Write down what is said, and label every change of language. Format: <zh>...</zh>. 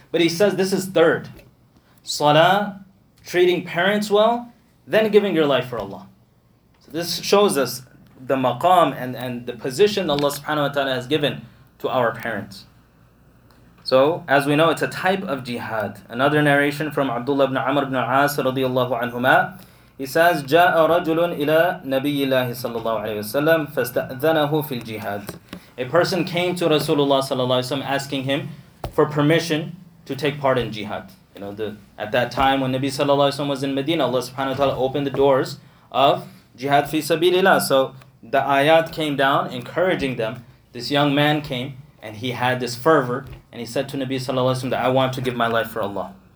<en>But he says this is third. Salah, treating parents well, then giving your life for Allah. So this shows us the maqam and the position Allah subhanahu wa ta'ala has given to our parents. So, as we know, it's a type of jihad. Another narration from Abdullah ibn Amr ibn As radiallahu anhumah, He says,</en> <ar>جَاءَ رَجُلٌ إِلَىٰ نَبِيِّ اللَّهِ صَلَّى اللَّهُ عَلَيْهِ وَسَلَّمْ فَاسْتَأْذَنَهُ فِي الْجِهَادِ.</ar> <en>A person came to Rasulullah sallallahu alayhi wa sallam asking him for permission to take part in jihad. You know, at that time when Nabi sallallahu alayhi wa sallam was in Medina, Allah subhanahu wa ta'ala opened the doors of jihad fi sabilillah. So the ayat came down encouraging them. This young man came and he had this fervor and he said to Nabi sallallahu alayhi wa sallam that I want to give my life for Allah.</en>